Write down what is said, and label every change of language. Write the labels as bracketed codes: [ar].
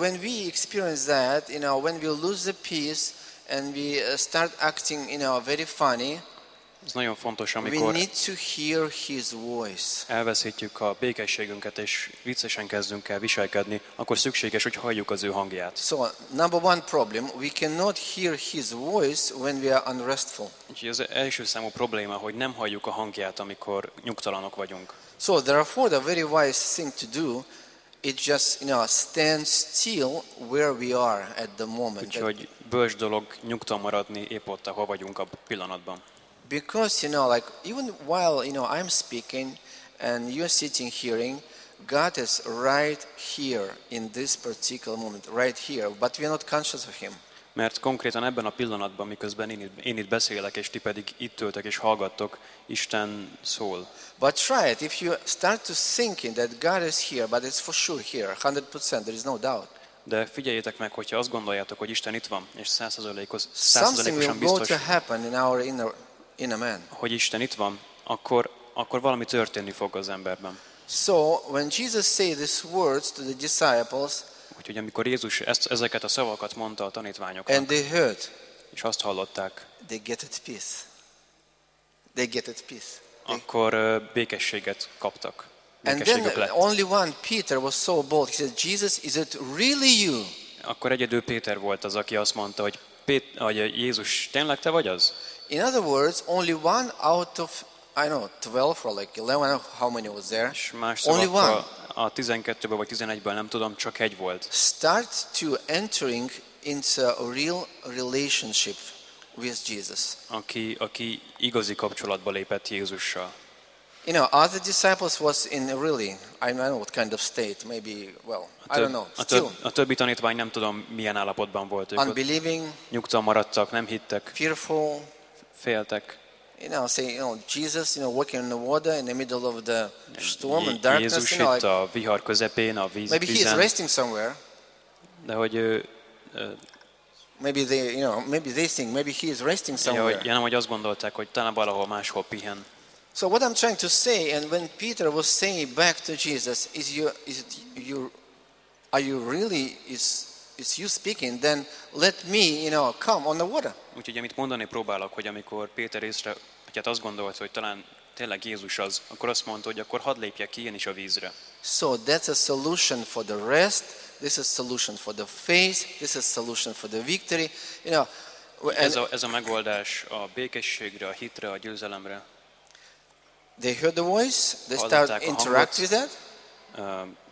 [en] When we experience that, you know, when we lose the peace and we start acting, you know, very funny. [hu] Ez nagyon fontos, amikor [en] we need to hear his voice. [hu] Elveszítjük a békességünket és viccesen kezdünk el viselkedni, akkor szükséges, hogy halljuk az ő hangját. [en] So, number one problem, we cannot hear his voice when we are unrestful. [hu] Ez az első számú probléma, hogy nem halljuk a hangját, amikor nyugtalanok vagyunk. [en] So, therefore, the very wise thing to do. It just, you know, stand still where we are at the moment. [hu] Úgyhogy bölcs dolog nyugton maradni épp ott, ahol vagyunk a pillanatban. [en] Because, you know, like even while, you know, I'm speaking and you're sitting hearing, God is right here in this particular moment, right here, but we are not conscious of him. [hu] Mert konkrétan ebben a pillanatban, miközben én itt beszélek, és ti pedig itt ültek és hallgattok, Isten szól. [en] But try it. If you start to thinking that God is here, but it's for sure here, 100%, there is no doubt. [hu] De figyeljétek meg, hogyha azt gondoljátok, hogy Isten itt van, és 100%-os, 100%-osan biztos, [en] something will happen in our inner man. [hu] Hogy Isten itt van, akkor valami történni fog az emberben. [en] So when Jesus said these words to the disciples, [hu] úgyhogy amikor Jézus ezeket a szavakat mondta a tanítványoknak, [en] and they heard, [hu] és azt hallották, [en] they get at peace. They get at peace. [hu] Akkor békességet kaptak. [en] And then only one Peter was so bold. He said, Jesus, is it really you? [hu] Akkor egyedül Péter volt az, aki azt mondta, hogy Jézus, tényleg te vagy az? [en] In other words, only one out of I know 12 or like 11, how many was there? Only one. [hu] A 12-ből vagy 11-ből nem tudom, csak egy volt. [en] Start to entering into a real relationship with Jesus. [hu] Aki igazi kapcsolatba lépett Jézussal. [en] You know, other disciples was in really, I don't know what kind of state, maybe, well, I don't know, still. [hu] A többi tanítvány nem tudom, milyen állapotban volt. [en] Unbelieving. [hu] Nyugton maradtak, nem hittek. [en] Fearful. [hu] Féltek. [en] You know, say, you know, Jesus, you know, walking in the water in the middle of the storm and darkness. [hu] Jézus [en] you know, [hu] itt a vihar közepén, a víz. [en] Maybe he is resting somewhere. [hu] De hogy [en] maybe they, you know, maybe they think maybe he is resting somewhere. [hu] Ja, nem, hogy azt gondolták, hogy talán valahol máshol pihen. [en] So what I'm trying to say, and when Peter was saying back to Jesus, is you speaking, then let me, you know, come on the water. [hu] Úgyhogy amit mondani próbálok, hogy amikor Péter észre, hogy hát azt gondolt, hogy talán tényleg Jézus az, akkor azt mondta, hogy akkor hadd lépjek ki én is a vízre. [en] So that's a solution for the rest, this is a solution for the faith, this is a solution for the victory. You know, [hu] ez a megoldás a békességre, a hitre, a győzelemre. [en] They heard the voice, they start interacting with that.